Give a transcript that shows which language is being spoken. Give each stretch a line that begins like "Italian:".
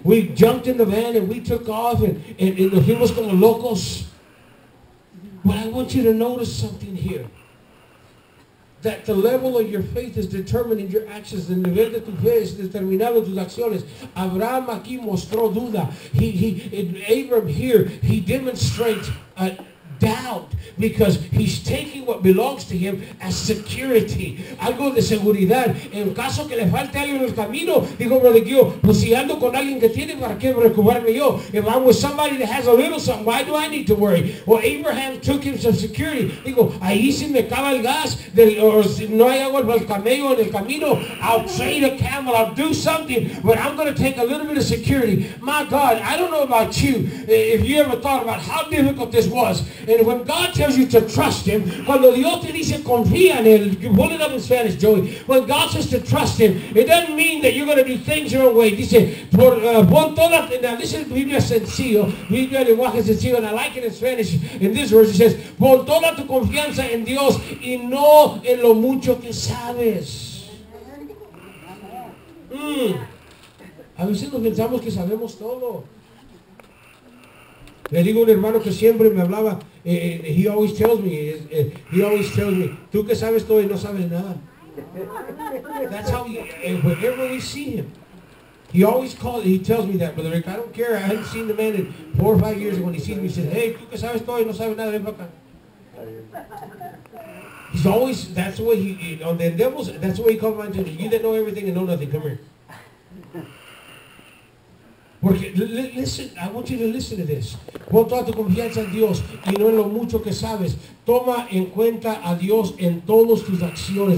English: We jumped in the van and we took off and the film was
Spanish: como locos.
English: But I want you to notice something here. That the level of your faith is determining your actions.
Spanish: El nivel de tu fe es determinado tus acciones. Abraham aquí mostró duda.
English: Abraham here, he demonstrates a doubt because he's taking what belongs to him as security.
Spanish: Algo de seguridad. En caso que le falte algo en el camino, dijo Brother Gil, pues si ando con alguien que tiene, ¿para qué preocuparme yo?
English: If I'm with somebody that has a little something, why do I need to worry? Well, Abraham took him some security.
Spanish: Digo, ahí si me acaba el gas, o si no hay agua para el camello en el camino,
English: I'll trade a camel, I'll do something, but I'm going to take a little bit of security. My God, I don't know about you, if you ever thought about how difficult this was. And when God tells you to trust him,
Spanish: cuando Dios te dice confía en él,
English: you pull it up in Spanish, Joey. When God says to trust him, it doesn't mean that you're going to do things your own way.
Spanish: Dice, pon toda,
English: now this is Biblia sencillo, Biblia lenguaje sencillo, and I like it in Spanish. In this verse, it says,
Spanish: pon toda tu confianza en Dios y no en lo mucho que sabes. A veces nos pensamos que sabemos todo. Le digo a un hermano que siempre me hablaba,
English: he always tells me,
Spanish: tú que sabes todo y no sabes nada.
English: That's how he, whenever we see him, he tells me that, Brother Rick, I don't care, I haven't seen the man in 4 or 5 years, and when he sees me, he says, hey,
Spanish: tú que sabes todo y no sabes nada, ven para acá.
English: He's always, that's the way he, on the devil's, that's the way he comes my attention, you that know everything and know nothing, come here. Porque, listen, I want you to listen to this.
Spanish: Pon toda tu confianza en Dios y no en lo mucho que sabes. Toma en cuenta a Dios en todas tus acciones.